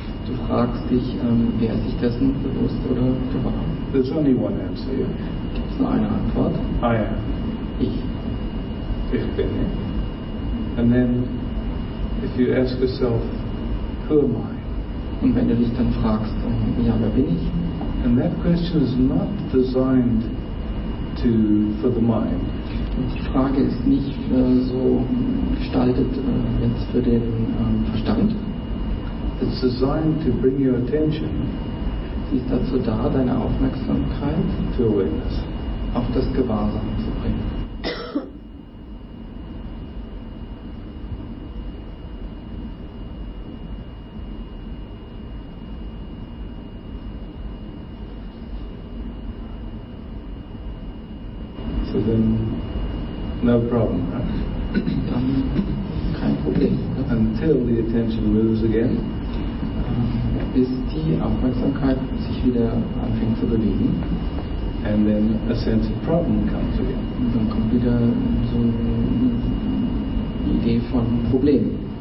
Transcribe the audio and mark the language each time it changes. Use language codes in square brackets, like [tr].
[de] Du fragst dich, wer sich dessen bewusst oder gewahr. [en] There's only one answer. Yeah? [de] Gibt es nur eine Antwort? [en] I am. [de] Ich. Ich bin. [en] And then. If you ask yourself, who am I? [de] Und wenn du dich dann fragst, ja, wer bin ich? [en] And that question is not designed to for the mind. [de] Und die Frage ist nicht so gestaltet jetzt für den Verstand. [en] It's designed to bring your attention. [de] Sie ist dazu da, deine Aufmerksamkeit [en] to awareness, [de] auf das Gewahrsein zu bringen. [en] No problem, right? [de] Dann kein Problem. [en] Until the attention moves again. [de] Bis die Aufmerksamkeit sich wieder anfängt zu bewegen. [en] And then a sense of problem comes again. [de] Und dann kommt wieder so eine Idee von Problem.